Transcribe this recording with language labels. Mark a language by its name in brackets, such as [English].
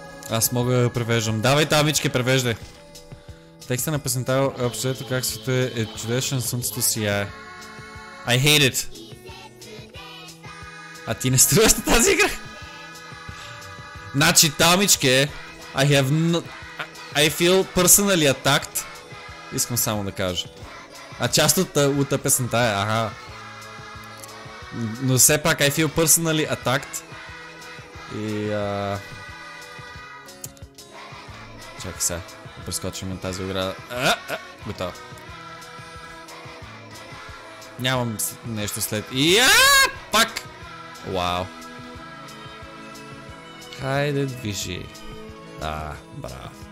[Bulgarian] Аз мога да превеждам. Давай тамички, превежда. Текста на песента е обсъдето как света е чудесен, слънцето сияе. [English] I hate it. [Bulgarian] А ти не струваш на тази игра? Значи тамички, [English] I have no... I feel personally attacked. [Bulgarian] Искам само да кажа. А част от та песента е, аха. Но все пак, [English] I feel personally attacked. [Bulgarian] И... Чакай се, да прескочим на тази ограда. Готово. Нямам нещо след... Пак! Вау. Хайде движи. Да, браво.